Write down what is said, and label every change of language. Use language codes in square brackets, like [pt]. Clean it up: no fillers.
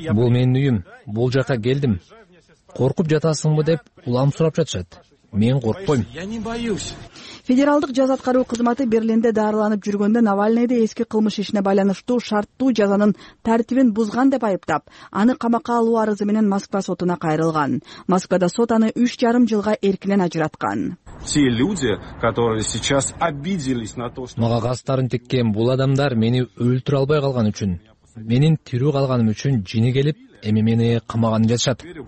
[ky] Бул менин үйүм. Бул жака келдим. Коркуп жатасыңбы деп улам сурап жатышат. Мен коркпойм. [ru] Я не боюсь. [ky] Федералдык жаза аткаруу кызматы Берлинде дарыланып жүргөндө Навальныйды эски кылмыш ишине байланыштуу шарттуу жазанын тартибин бузган деп айыптап, аны камакка алуу арызы менен Москва сотуна кайрылган. Москвада сот аны 3,5 жылга эркинен ажыраткан. [ru] Те люди, которые сейчас обиделись на то, что [ky] мага кастарын тиккен бул адамдар мени өлтүрө албай калган үчүн, менин тирүү калганым үчүн жини келип, эми мени камаган жатышат.